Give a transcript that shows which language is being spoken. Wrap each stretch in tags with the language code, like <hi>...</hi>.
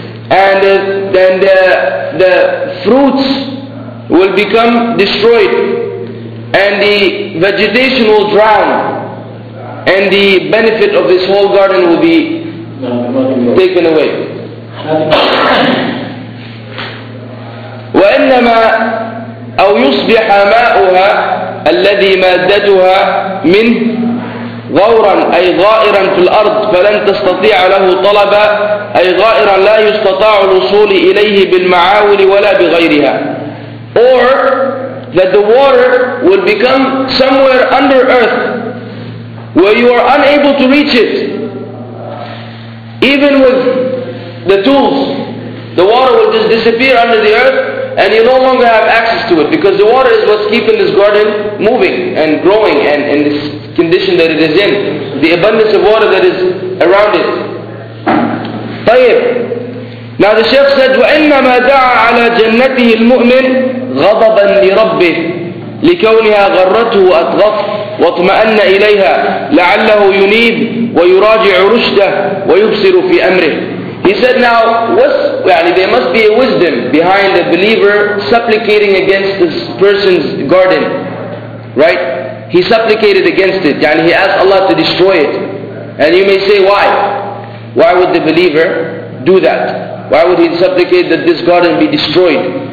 <en>And then the fruits will become destroyed, and the vegetation will drown, and the benefit of this whole garden will be taken away.</en> <ar>وإنما أو يصبح ماؤها الذي مادتها من غورا أي غائرا في الأرض فلن تستطيع له طلبا أي غائرا لا يستطاع الوصول إليه بالمعاول ولا بغيرها.</ar> <en>Or that the water will become somewhere under earth where you are unable to reach it even with the tools. The water will just disappear under the earth and you no longer have access to it, because the water is what's keeping this garden moving and growing and in this condition that it is in, the abundance of water that is around it.</en> <ar>طيب.</ar> <en>Now the Shaykh said,</en> <ar>وَإِنَّمَا دَعَى عَلَى جَنَّتِهِ الْمُؤْمِنِ غَضَبًا لِرَبِّهِ لِكَوْنِهَا غَرَّتُهُ أَتْغَفُ وَاطْمَأَنَّ إِلَيْهَا لَعَلَّهُ يُنِيبُ وَيُرَاجِعُ رُشْدَهُ وَيُبْصِرُ فِي أَمْرِهِ.</ar> <en>He said, now what's, يعني, there must be a wisdom behind a believer supplicating against this person's garden, right? He supplicated against it, يعني he asked Allah to destroy it. And you may say, why? Why would the believer do that? Why would he supplicate that this garden be destroyed?</en>